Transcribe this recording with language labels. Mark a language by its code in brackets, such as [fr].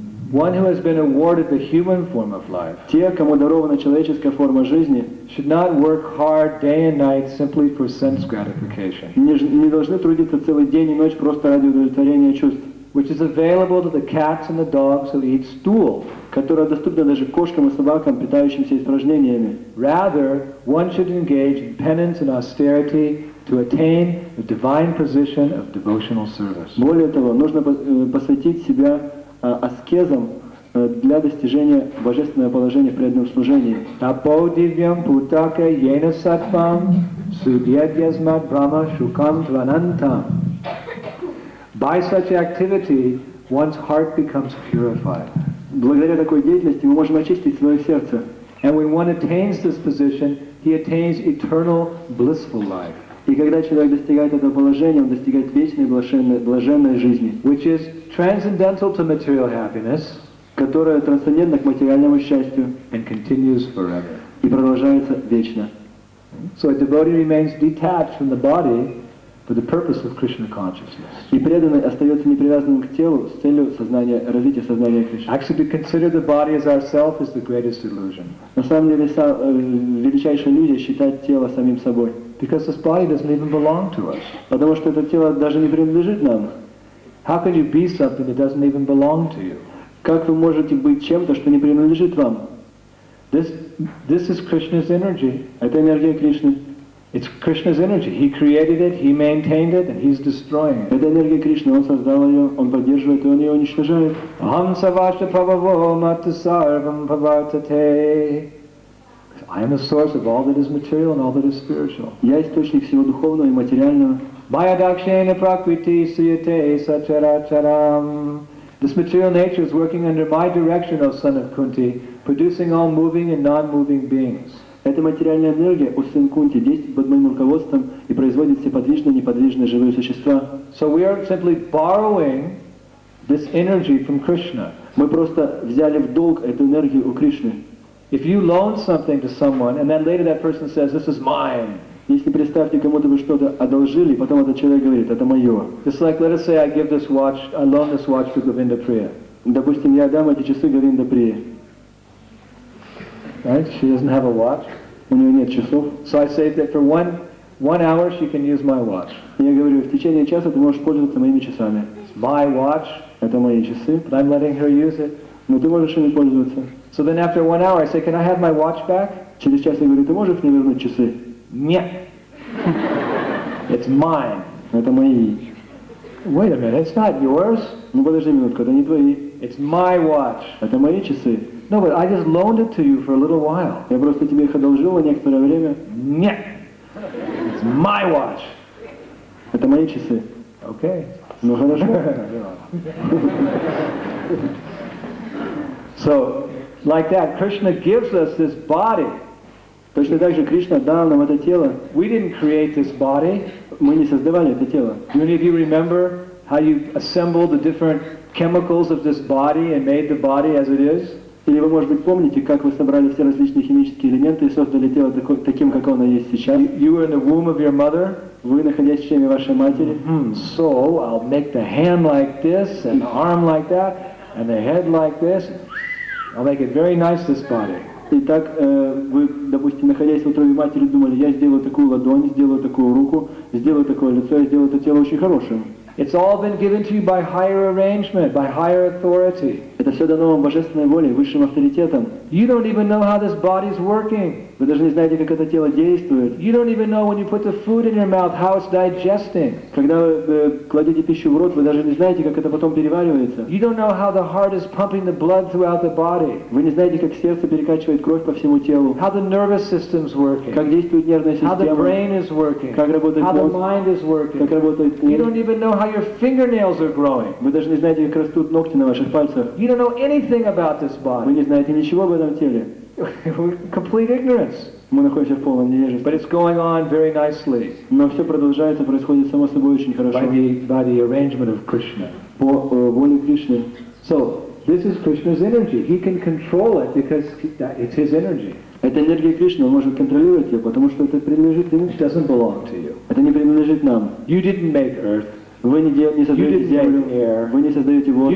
[en] one who has been awarded the human form of life, [ru] те, кому дарована человеческая форма жизни, [en] should not work hard day and night simply for sense gratification. [ru] Не должны трудиться целый день и ночь просто ради удовлетворения чувств, [en] which is available to the cats and the dogs who eat stool, [ru] которая доступна даже кошкам и собакам, питающимся испражнениями. [en] Rather, one should engage in penance and austerity to attain the divine position of devotional service. [ru] Более того, нужно посвятить себя аскезам для достижения божественного положения в преданном служении. [sa] Тапо дивьям путака йена саттвам судьядьязмат брама шукам тванантам. [en] By such activity, one's heart becomes purified. [ru] Благодаря такой деятельности мы можем очистить свое сердце. [en] And when one attains this position, he attains eternal blissful life. [ru] И когда человек достигает этого положения, он достигает вечной блаженной жизни, [en] which is transcendental to material happiness, [ru] которая трансцендентна к материальному счастью, [en] and continues forever. [ru] И продолжается вечно. [en] So a devotee remains detached from the body for the purpose of Krishna consciousness. [ru] И преданный остается непривязанным к телу с целью сознания, развития сознания Кришны. [en] Actually, to consider the body as ourself is the greatest illusion. [ru] На самом деле, величайшая иллюзия считать тело самим собой. [en] Because this body doesn't even belong to us. [ru] Потому что это тело даже не принадлежит нам. [en] How can you be something that doesn't even belong to you? [ru] Как вы можете быть чем-то, что не принадлежит вам? [en] This is Krishna's energy. [ru] Это энергия Кришны. [en] It's Krishna's energy. He created it, he maintained it, and he's destroying it. [ru] Это энергия Кришны. Он создал ее, он поддерживает ее, он ее уничтожает. [sa] Aham savasya pravavo mata sarvam pravartate. [en] I am the source of all that is material and all that is spiritual. [ru] Я источник всего духовного и материального. [sa] Maya dakshena prakriti suyate sacharacharam. [en] This material nature is working under my direction, O son of Kunti, producing all moving and non-moving beings. [ru] Эта материальная энергия, о сын Кунти, действует под моим руководством и производит все подвижные и неподвижные живые существа. [en] So we are simply borrowing this energy from Krishna. [ru] Мы просто взяли в долг эту энергию у Кришны. [en] If you loan something to someone, and then later that person says, "This is mine." [ru] Если представьте, кому-то вы что-то одолжили, потом этот человек говорит, это мое. [en] Just like, let us say, I give this watch, I loan this watch to Govinda Priya. [ru] Допустим, я дам эти часы Говинда Прия. [en] right? She doesn't have a watch. [ru] У нее нет часов. [en] So I say that for one hour she can use my watch. [ru] Я говорю, в течение часа ты можешь пользоваться моими часами. [en] It's my watch. [ru] Это мои часы. [en] But I'm letting her use it. [ru] Но ты можешь ими пользоваться. [en] So then after one hour I say, can I have my watch back? [ru] Через час я говорю, ты можешь мне вернуть часы? Нет. [en] It's mine. [ru] Это мои. [en] Wait a minute, it's not yours. [ru] Ну подожди минутку, это не твои. [en] It's my watch. [ru] Это мои часы. [en] No, but I just loaned it to you for a little while. [ru] Я просто тебе их одолжил на некоторое время. Нет. [en] It's my watch. [ru] Это мои часы. [en] Okay. [ru] Ну хорошо. [en] So, like that, Krishna gives us this body. [ru] Точно так же Кришна дал нам это тело. [en] We didn't create this body. [ru] Мы не создавали это тело. [en] Do any of you remember how you assembled the different chemicals of this body and made the body as it is? [ru] Или вы, может быть, помните, как вы собрали все различные химические элементы и создали тело таким, как оно есть сейчас? [en] You were in the womb of your mother. [ru] Вы находясь в чреве вашей матери. [en] So I'll make the hand like this and the arm like that and the head like this. I'll make it very nice, this body. [ru] Итак, вы, допустим, находясь в утробе матери, думали, я сделаю такую ладонь, сделаю такую руку, сделаю такое лицо, я сделаю это тело очень хорошим. [en] It's all been given to you by higher arrangement, by higher authority. [ru] Это все дано вам божественной волей, высшим авторитетом. [en] You don't even know how this body's working. [ru] Вы даже не знаете, как это тело действует. [en] You don't even know when you put the food in your mouth, how it's digesting. [ru] Когда вы кладете пищу в рот, вы даже не знаете, как это потом переваривается. [en] You don't know how the heart is pumping the blood throughout the body. [ru] Вы не знаете, как сердце перекачивает кровь по всему телу. [en] How the nervous system's working. [ru] Как действует нервная система. [en] How the brain is working. [ru] Как работает мозг. [en] How the mind is working. [ru] Как работает ум. [en] You don't even know how your fingernails are growing. [ru] Вы даже не знаете, как растут ногти на ваших пальцах. [en] You don't know anything about this body. [ru] Вы не знаете ничего об этом теле. [en] Complete ignorance. [ru] Мы находимся в полном невежестве. [en] But it's going on very nicely. [ru] Но все продолжается, происходит само собой очень хорошо. [en] By the arrangement of Krishna. [ru] По воле Кришны. [en] So this is Krishna's energy. He can control it because it's his energy. [ru] Это энергия Кришны, он может контролировать ее, потому что это принадлежит ему. [en] It doesn't belong to you. [ru] Это не принадлежит нам. [en] You didn't make earth. [ru] Вы не создаете землю, вы не создаете воду,